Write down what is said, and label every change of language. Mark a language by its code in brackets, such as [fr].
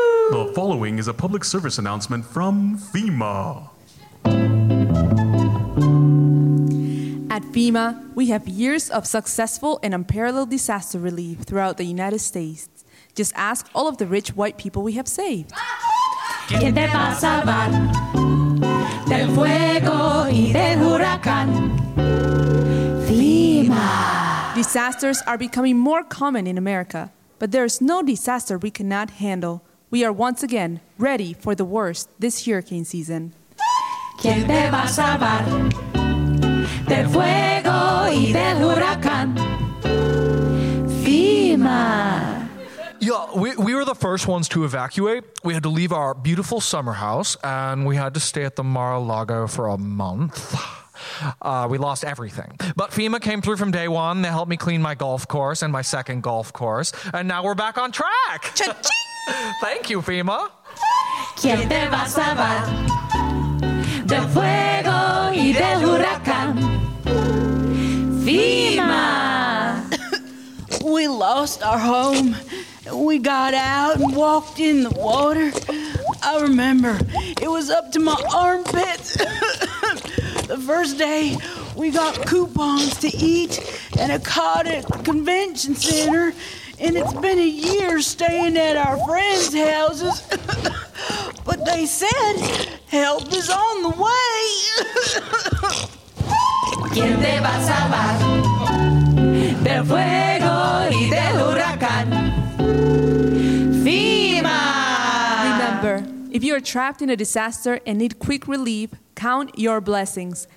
[en] The following is a public service announcement from FEMA. At FEMA, we have years of successful and unparalleled disaster relief throughout the United States. Just ask all of the rich white people we have saved. [es] ¿Qué te va a salvar del fuego y del huracán? [en] FEMA. Disasters are becoming more common in America, but there is no disaster we cannot handle. We are once again ready for the worst this hurricane season. [es] ¿Qué te va a salvar? Del fuego y del huracán. [en] FEMA. Yeah, we were the first ones to evacuate. We had to leave our beautiful summer house, and we had to stay at the Mar-a-Lago for a month. We lost everything. But FEMA came through from day one. They helped me clean my golf course and my second golf course. And now we're back on track. Thank you, FEMA. [es] ¿Quién te va a salvar del fuego y del huracán? [en] FEMA! We lost our home. We got out and walked in the water. I remember it was up to my armpits. The first day, we got coupons to eat and a cot at the convention center. And it's been a year staying at our friends' houses. But they said help is on the way. [es] ¿Quién te va a salvar del fuego y del huracán? [en] FEMA! Remember, if you are trapped in a disaster and need quick relief, count your blessings.